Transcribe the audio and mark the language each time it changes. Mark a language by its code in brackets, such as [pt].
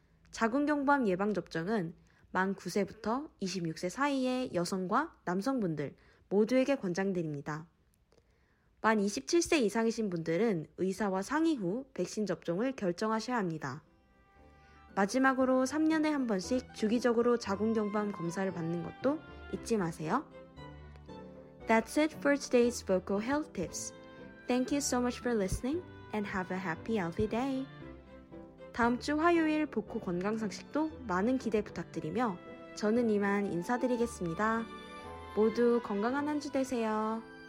[ko] 자궁경부암 예방접종은 만 9세부터 26세 사이의 여성과 남성분들 모두에게 권장드립니다. 만 27세 이상이신 분들은 의사와 상의 후 백신 접종을 결정하셔야 합니다. 마지막으로 3년에 한 번씩 주기적으로 자궁경부암 검사를 받는 것도 잊지 마세요. [en] That's it for today's vocal health tips. Thank you so much for listening and have a happy healthy day. [ko] 다음 주 화요일 복고 건강상식도 많은 기대 부탁드리며 저는 이만 인사드리겠습니다. 모두 건강한 한 주 되세요.